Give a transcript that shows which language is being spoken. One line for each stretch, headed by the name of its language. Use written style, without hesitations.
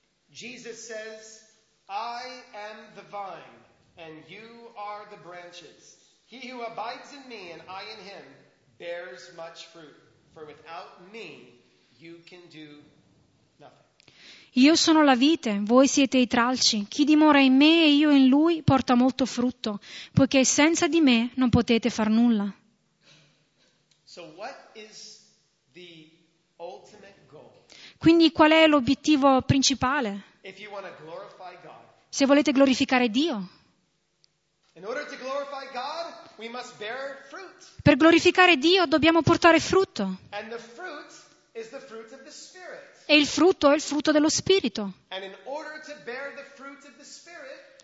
English: Jesus says, I am the vine and you are the branches. He who abides in me and I in him bears much fruit, for without me you can do nothing.
Italian: Io sono la vite, voi siete i tralci. Chi dimora in me e io in lui porta molto frutto, poiché senza di me non potete far nulla.
English: So what is the ultimate goal?
Italian: Quindi qual è l'obiettivo principale?
English: If you want to glorify God.
Italian: Se volete glorificare Dio.
English: In order to glorify God, we must bear fruit.
Italian: Per glorificare Dio dobbiamo portare frutto.
English: And the fruit is the fruit of the Spirit.
Italian: E il frutto è il frutto dello Spirito.
English: And in order to bear the fruit of the Spirit,